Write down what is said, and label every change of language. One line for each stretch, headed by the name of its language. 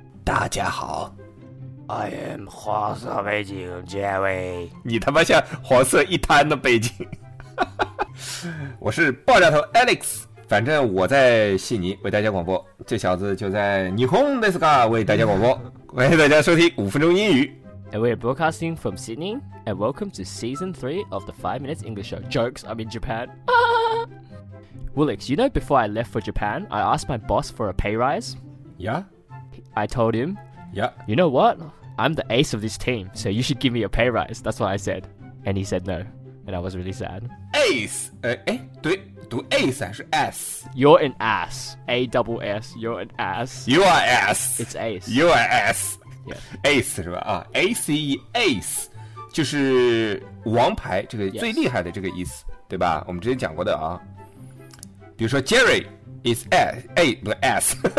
Chinese: 大家好
English: I am
Chinese: 黄色背景 Jerry. 你他妈像黄色一滩的背景。我是爆炸头 Alex. 反正我在悉尼为大家广播，这小子就在霓虹 Nesca 为大家广播。欢迎大家收听五分钟英语。
English: And we are broadcasting from Sydney. And welcome to season 3 of the 5 Minutes English Show. Jokes, I'm in Japan. Alex, you know before I left for Japan, I asked my boss for a pay rise. Yeah? I told him, Yeah. You know what? I'm the ace of this team, so you should give me a pay rise. That's what I said. And he said no. And I was really sad.
Chinese: Ace! 对，读 ace 还是 S?
English: You're an ass. A-double-S. You're an ass. You are ass. It's ace. You are ass. Yeah.
Chinese: Ace 是吧？啊，A-C-E, ace 就是王牌，这个最厉害的这个意思，对吧？我们之前讲过的啊。比如说
English: Jerry is ass.
Chinese: A, 不是 S.